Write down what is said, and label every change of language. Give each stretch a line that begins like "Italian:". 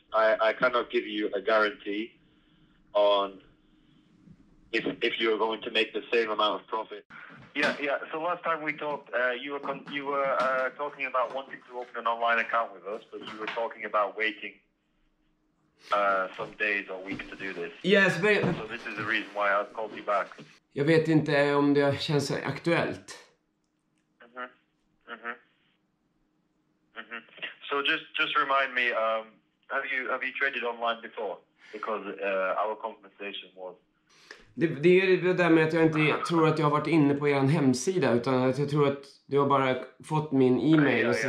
English: I cannot give you a guarantee on if you're going to make the same amount of profit. Yeah. So last time we talked, you were talking about wanting to open an online account with us, but you were talking about waiting some days or weeks to do this. Yes, but so this is the reason why I called you back.
Swedish: Jag vet inte om det känns aktuellt.
English: So just remind me, have you traded online before? Because our conversation was.
Swedish: Det är det där med att jag inte tror att jag har varit inne på er hemsida, utan att jag tror att du har bara fått min e-mail.